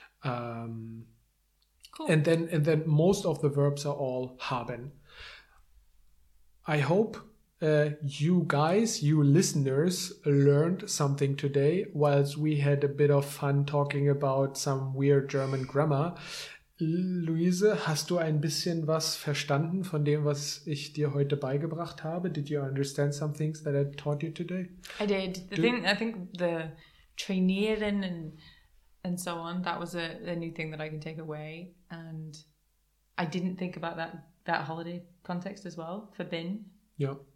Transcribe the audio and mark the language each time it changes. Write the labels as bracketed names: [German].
[English] Cool. And then most of the verbs are all haben. I hope you guys, you listeners, learned something today whilst we had a bit of fun talking about some weird German grammar. [German] Luise, hast du ein bisschen was verstanden von dem, was ich dir heute beigebracht habe? [English] Did you understand some things that I taught you today? I did. I think the trainieren and so on, that was a new thing that I can take away. And I didn't think about that holiday context as well for bin. Yeah.